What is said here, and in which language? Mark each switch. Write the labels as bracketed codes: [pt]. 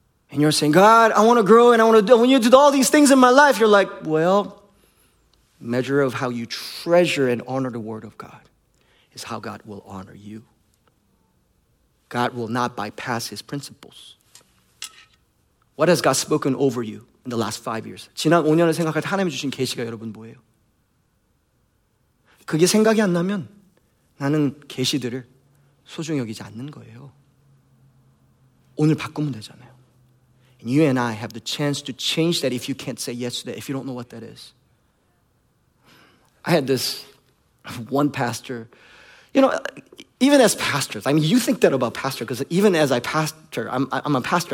[en] And you're saying, God, I want to grow and I want to do, when you do all these things in my life, you're like, well, measure of how you treasure and honor the word of God is how God will honor you. God will not bypass his principles. What has God spoken over you in the last 5 years? [ko] 지난 5년을 생각할 때 하나님이 주신 계시가 여러분 뭐예요? 그게 생각이 안 나면 나는 계시들을 소중히 여기지 않는 거예요. 오늘 바꾸면 되잖아요. [en] And you and I have the chance to change that if you can't say yes to that, if you don't know what that is. I had this one pastor. You know, even as pastors, I mean, you think that about pastor, because even as I pastor, I'm a pastor.